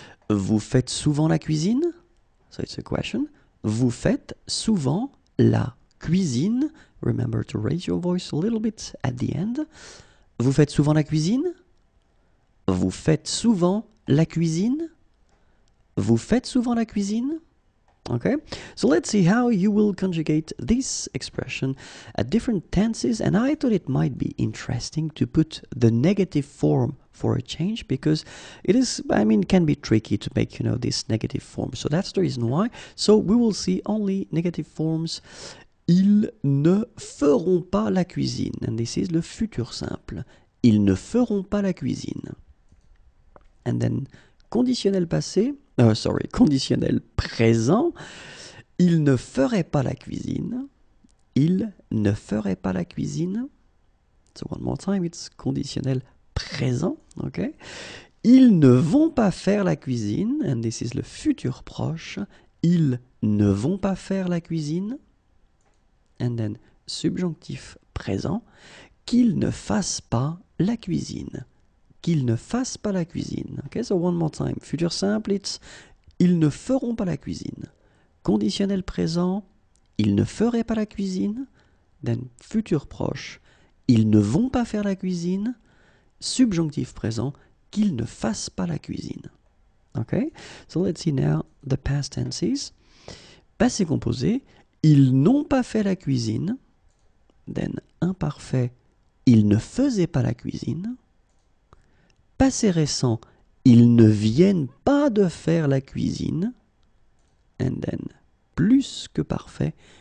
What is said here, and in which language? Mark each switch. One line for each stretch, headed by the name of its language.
French: Vous faites souvent la cuisine?
English: So it's a question.
French: Vous faites souvent la cuisine?
English: Remember to raise your voice a little bit at the end.
French: Vous faites souvent la cuisine? Vous faites souvent la cuisine? Vous faites souvent la cuisine?
English: Okay, so let's see how you will conjugate this expression at different tenses. And I thought it might be interesting to put the negative form for a change, because it is, I mean, can be tricky to make, you know, this negative form. So that's the reason why. So we will see only negative forms.
French: Ils ne feront pas la cuisine.
English: And this is
French: le futur simple. Ils ne feront pas la cuisine.
English: And then
French: conditionnel passé. Conditionnel présent. Il ne ferait pas la cuisine. Il ne ferait pas la cuisine.
English: So one more time, it's
French: conditionnel présent. Okay. Ils ne vont pas faire la cuisine.
English: And this is
French: le futur proche. Ils ne vont pas faire la cuisine.
English: And then
French: subjonctif présent. Qu'ils ne fassent pas la cuisine. Qu'ils ne fassent pas la cuisine.
English: Okay, so one more time.
French: Futur simple, it's ils ne feront pas la cuisine. Conditionnel présent, ils ne feraient pas la cuisine. Then futur proche, ils ne vont pas faire la cuisine. Subjonctif présent, qu'ils ne fassent pas la cuisine.
English: Okay, so let's see now the past tenses.
French: Passé composé, ils n'ont pas fait la cuisine. Then imparfait, ils ne faisaient pas la cuisine. Passé récent, ils ne viennent pas de faire la cuisine.
English: And then,
French: plus que parfait,